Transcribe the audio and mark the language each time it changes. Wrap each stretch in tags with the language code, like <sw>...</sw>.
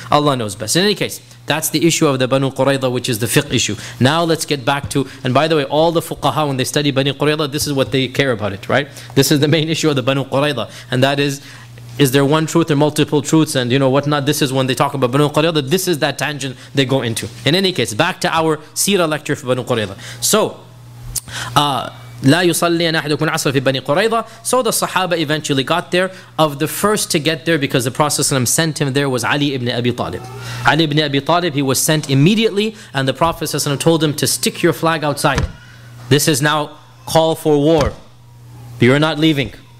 <en>Allah knows best. In any case, that's the issue of the Banu Qurayza, which is the fiqh issue. Now let's get back to, and by the way, all the fuqaha, when they study Banu Qurayza, this is what they care about it, right? This is the main issue of the Banu Qurayza. And that is there one truth or multiple truths and you know whatnot? This is when they talk about Banu Qurayza, this is that tangent they go into. In any case, back to our seerah lecture for Banu Qurayza. So,</en> <ar>لا يصلي أحدكم العصر في بني قريظة.</ar> <en>So the Sahaba eventually got there. Of the first to get there, because the Prophet ﷺ sent him there, was Ali ibn Abi Talib. Ali ibn Abi Talib, he was sent immediately, and the Prophet ﷺ told him to stick your flag outside. This is now call for war. You're not leaving.</en>